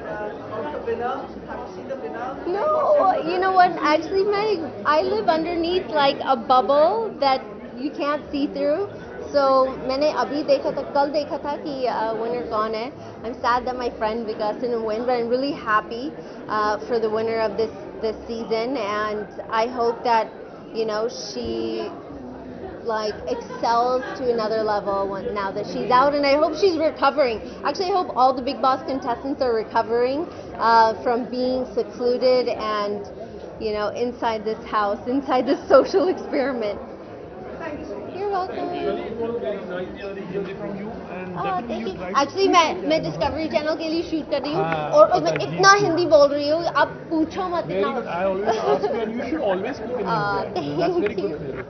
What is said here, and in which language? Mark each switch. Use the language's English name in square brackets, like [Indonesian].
[English] No, you know what? Actually, I live underneath like a bubble that you can't see through. [Hindi] सो मैंने अभी देखा था, कल देखा था कि विनर कौन है। [English] I'm sad that my friend Vikas didn't win, but I'm really happy for the winner of this season, and I hope that, you know, she like excels to another level now that she's out, and I hope she's recovering. Actually, I hope all the Bigg Boss contestants are recovering from being secluded and, you know, inside this house, inside this social experiment. [Hindi] Actually, मैं discovery channel के लिए shoot कर रही हूँ, और मैं इतना हिंदी बोल रही हूँ, आप पूछो मत इतना। [English] I always ask you, and you should always speak in English.